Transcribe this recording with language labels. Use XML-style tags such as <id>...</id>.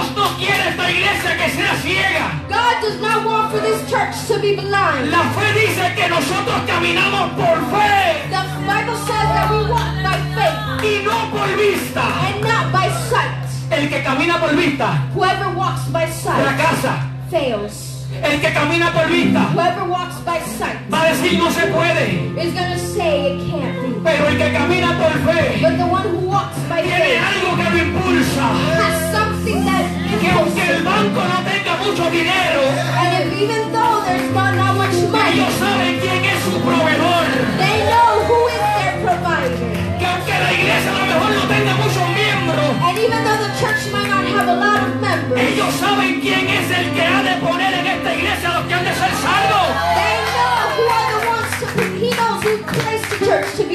<es>Dios no quiere esta iglesia que sea ciega.</es> <en>God does not want for this church to be blind.</en> <es>La fe dice que nosotros caminamos por fe.</es> <en>The Bible says that we walk by faith.</en> <es>Y no por vista.</es> <en>And not by sight.</en> <es>El que camina por vista.</es> <en>Whoever walks by sight.</en> <es>La casa.</es> <en>Fails.</en> <es>El que camina por vista.</es> <en>Whoever walks by sight.</en> <es>Va a decir no se puede.</es> <en>Is going to say it can't be.</en> <es>Pero el que camina por fe.</es> <en>But the one who walks by</en> <es>tiene Tiene algo que lo impulsa.</es> <en>Has something that impulses.</en> <es>Que aunque el banco no tenga mucho dinero.</es> <en>And if, even though there's not that much money.</en> <es>Ellos saben quién es su proveedor.</es> <en>They know who is their provider.</en> <es>Que aunque la iglesia a lo mejor no tenga muchos miembros.</es> <en>And even though the church might not have a lot of members.</en> <es>Ellos saben quién es el que ha de poner en esta iglesia los que han de ser salvos.</es> <en>They know who are the ones to be. He knows who placed the church to be saved.</en>